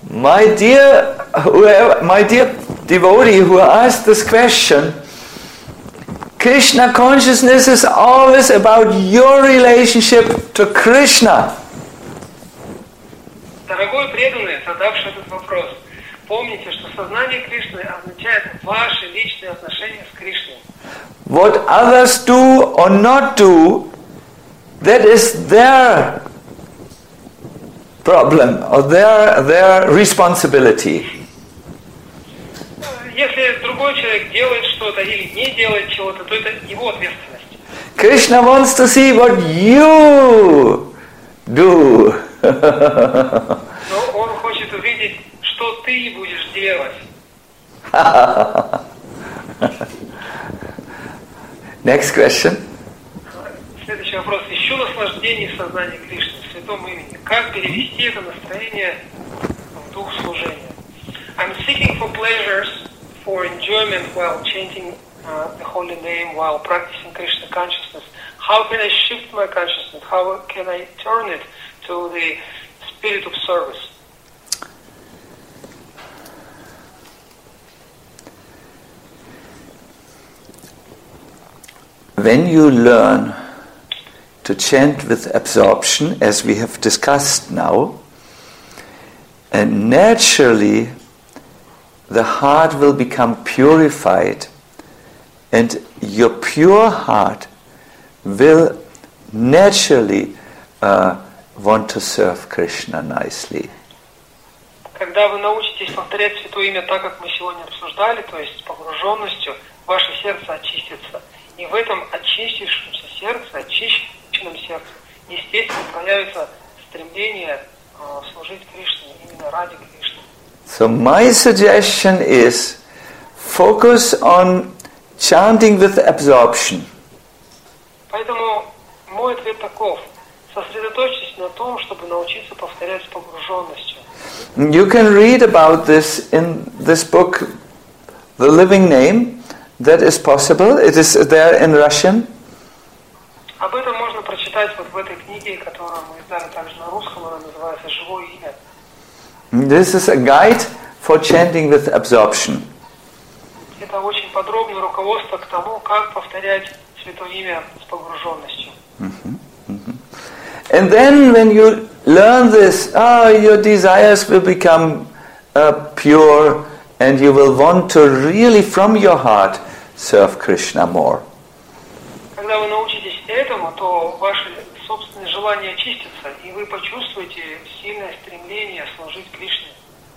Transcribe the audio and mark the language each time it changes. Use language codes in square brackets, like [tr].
[en] My dear devotee who asked this question, Krishna consciousness is always about your relationship to Krishna. [ru] Дорогой преданный, задавший этот вопрос, помните, что сознание Кришны означает ваши личные отношения с Кришной. [en] What others do or not do, that is their problem or their responsibility. [ru] Если другой человек делает что-то или не делает чего-то, то это его ответственность. [en] Krishna wants to see what you do. [ru] Но он хочет увидеть, что ты будешь делать. [en] Next question. [ru] Следующий вопрос. Ищу наслаждение в сознании Кришны, в святом имени. Как перевести это настроение в дух служения? [en] I'm seeking for pleasures, for enjoyment while chanting the holy name, while practicing Krishna consciousness. How can I shift my consciousness? How can I turn it to the spirit of service? When you learn to chant with absorption, as we have discussed now, and naturally the heart will become purified and your pure heart will naturally want to serve Krishna nicely. [ru] Когда вы научитесь повторять Святое Имя так, как мы сегодня обсуждали, то есть с погруженностью, ваше сердце очистится. И в этом очистившемся сердце, очищенном сердце, естественно, появится стремление служить Кришне, именно ради Кришны. [en] So my suggestion is focus on chanting with absorption. [ru] Поэтому мой ответ таков. Сосредоточьтесь на том, чтобы научиться повторять с погруженностью. [en] You can read about this in this book The Living Name. That is possible. It is there in Russian. [ru] Об этом можно прочитать. прочитать вот в этой книге, которую мы издали также на русском, она называется «Живое имя». [en] This is a guide for chanting with absorption. [ru] Это очень подробное руководство к тому, как повторять Святое Имя с погруженностью. [en] And then when you learn this, your desires will become pure, and you will want to really, from your heart, serve Krishna more. [ru] Когда вы научитесь этому, то ваши собственные желания очистятся, и вы почувствуете сильное стремление служить Кришне.